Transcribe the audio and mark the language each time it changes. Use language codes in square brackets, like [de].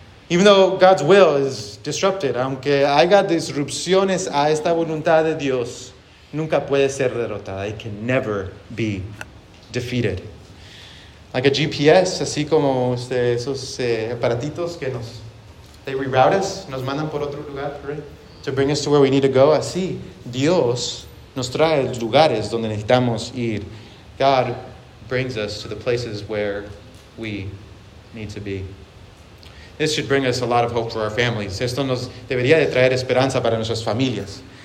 [en] Even though God's will is disrupted, [es] aunque haya disrupciones a esta voluntad de Dios, nunca puede ser derrotada. [en] It can never be defeated. Like a GPS, [es] así como esos aparatitos que nos, [en] they reroute us, [es] nos mandan por otro lugar, [en] right? To bring us to where we need to go. [es] Así, Dios nos trae lugares donde necesitamos ir. [en] God brings us to the places where we need to be. This should bring us a lot of hope for our families. [es] Esto nos debería de traer esperanza para nuestras familias.